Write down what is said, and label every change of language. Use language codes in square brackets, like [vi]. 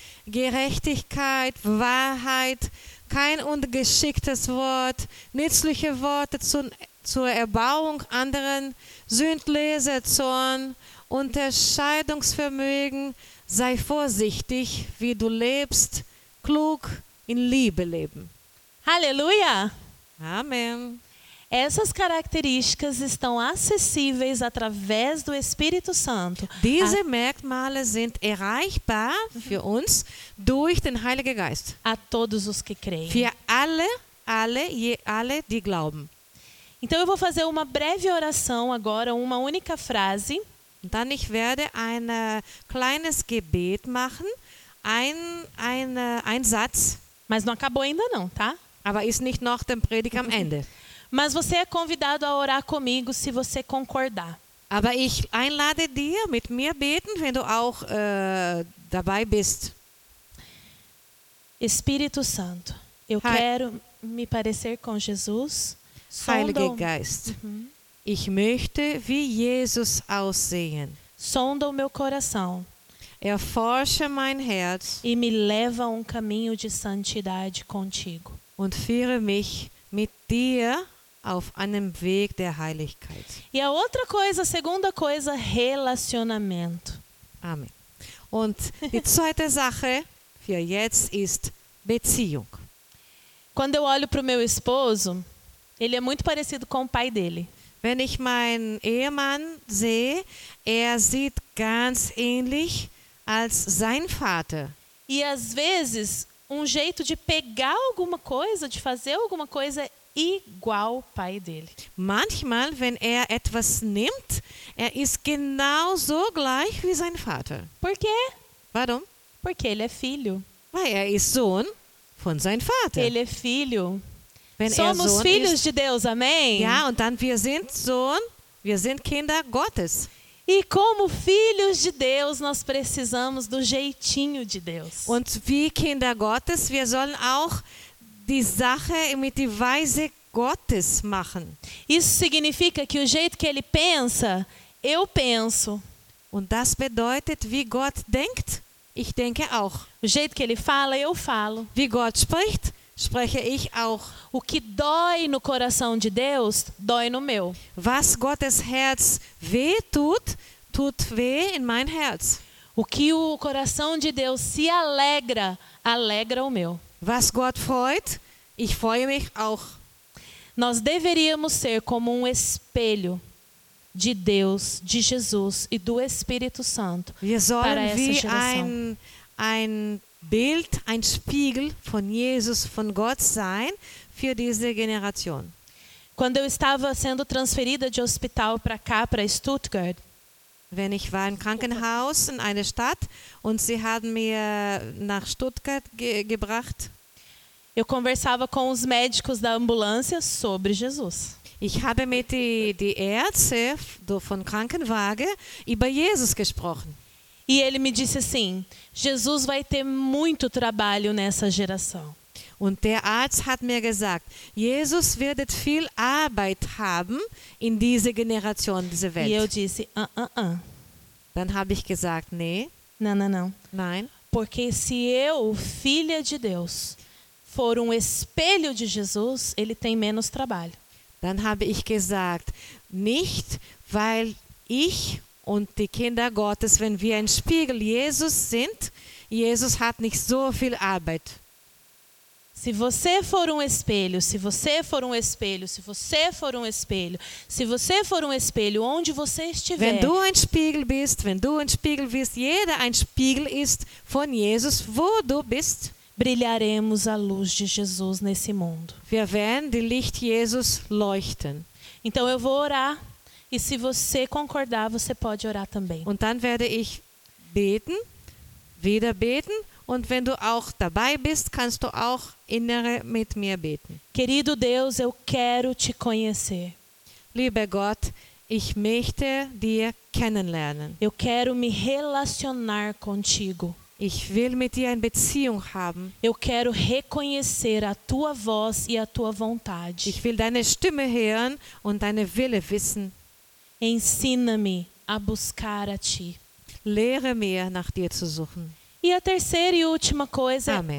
[de] Gerechtigkeit, Wahrheit, kein ungeschicktes Wort, nützliche Worte zur Erbauung anderen, sündloser Zorn, Unterscheidungsvermögen, sei vorsichtig, wie du lebst, klug in Liebe leben. Halleluja! [pt] Amém. Essas características estão acessíveis através do Espírito Santo. [de] Diese Merkmale sind erreichbar für uns durch den Heiligen Geist. [pt] A todos os que creem. [de] Für alle, die glauben. [pt] Então eu vou fazer uma breve oração agora, uma única frase. [de] Dann ich werde ein kleines Gebet machen, ein Satz. [pt] Mas não acabou ainda não, tá? [de] Aber ist nicht noch der Predigt am Ende. [pt] Mas você é convidado a orar comigo se você concordar. [de] Aber ich einlade dir mit mir beten, wenn du auch dabei bist. [pt] Espírito Santo, eu quero me parecer com Jesus. [de] Heiliger Geist. Ich möchte wie Jesus aussehen. [pt] Sonda o meu coração. [de] Erforsche mein Herz. [pt] E me leva a um caminho de santidade contigo. [de] Und führe mich mit dir auf einem Weg der Heiligkeit. [pt] E a outra coisa, a segunda coisa, relacionamento. [de] Amen. Und die zweite Sache für jetzt ist Beziehung. [pt] Quando eu olho para o meu esposo, ele é muito parecido com o pai dele. [de] Wenn ich meinen Ehemann sehe, sieht ganz ähnlich als sein Vater. [pt] E às vezes, um jeito de pegar alguma coisa, de fazer alguma coisa igual ao pai dele. [de] Manchmal, wenn etwas nimmt, ist genauso gleich wie sein Vater. [pt] Por quê? [de] Warum? [pt] Porque ele é filho. [de] Weil ist Sohn von seinem Vater. [pt] Ele é filho. Somos filhos de Deus, amém? [de] Ja, und dann wir sind Kinder Gottes. [pt] E como filhos de Deus, nós precisamos do jeitinho de Deus. [de] Und wie Kinder Gottes, wir sollen auch die Sache mit der Weise Gottes machen. [pt] Isso significa que o jeito que ele pensa, eu penso. [de] Und das bedeutet, wie Gott denkt, ich denke auch. [pt] O jeito que ele fala, eu falo. [de] Wie Gott spricht, spreche ich auch. [pt] O que dói no coração de Deus, dói no meu. [de] Was Gottes Herz weh tut, tut weh in mein Herz. [pt] O que o coração de Deus se alegra, alegra o meu. [de] Was Gott freut, ich freue mich auch. [pt] Nós deveríamos ser como um espelho de Deus, de Jesus e do Espírito Santo para essa geração. [de] Wir sollen wie ein Bild, ein Spiegel von Jesus, von Gott sein für diese Generation. [pt] Quando eu estava sendo transferida de hospital para cá, para Stuttgart, [de] wenn ich war im Krankenhaus in einer Stadt und sie haben mir nach Stuttgart gebracht, [pt] eu conversava com os médicos da ambulância sobre Jesus. [de] Ich habe mit die Ärzte von Krankenwagen über Jesus gesprochen. [pt] E ele me disse assim: Jesus vai ter muito trabalho nessa geração. [de] Und der Arzt hat mir gesagt, Jesus wird viel Arbeit haben in dieser Generation, diese Welt. [pt] E eu disse: [de] Dann habe ich gesagt, nee. [pt] Não. [de] Nein. [pt] Porque se eu, filha de Deus, for espelho de Jesus, ele tem menos trabalho. [de] Dann habe ich gesagt, nicht, weil ich und die Kinder Gottes, wenn wir ein Spiegel Jesus sind, Jesus hat nicht so viel Arbeit. [pt] Se você for espelho, se você for espelho, se você for espelho, se você for espelho, onde você estiver. [de] Wenn du ein Spiegel bist, wenn du ein Spiegel bist, jeder ein Spiegel ist von Jesus, wo du bist, [pt] brilharemos a luz de Jesus nesse mundo. [de] Wir werden die Licht Jesus leuchten. [pt] Então eu vou orar. E se você concordar, você pode orar também. [de] Und dann werde ich beten, wieder beten. Und wenn du auch dabei bist, kannst du auch innere mit mir beten. [pt] Querido Deus, eu quero te conhecer. [de] Lieber Gott, ich möchte dir kennenlernen. [pt] Eu quero me relacionar contigo. [de] Ich will mit dir eine Beziehung haben. [pt] Eu quero reconhecer a tua voz e a tua vontade. [de] Ich will deine Stimme hören und deine Wille wissen. [pt] Ensina-me a buscar a ti. [de] Lehre-me nach dir zu suchen. [pt] E a terceira e última coisa, Amen.